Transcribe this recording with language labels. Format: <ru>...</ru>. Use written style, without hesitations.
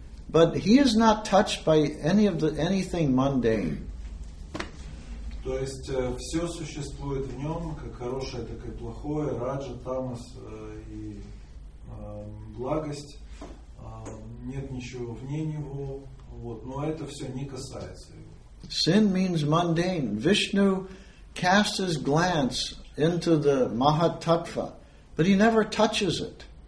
<en>But he is not touched by anything mundane.</en> <ru>То есть все существует в нем, как хорошее, так и плохое, раджа, тамас и благость. Нет ничего вне него. Вот, но это все не касается его.</ru> <en>Sin means mundane. Vishnu casts his glance into the Mahatattva, but he never touches it.</en>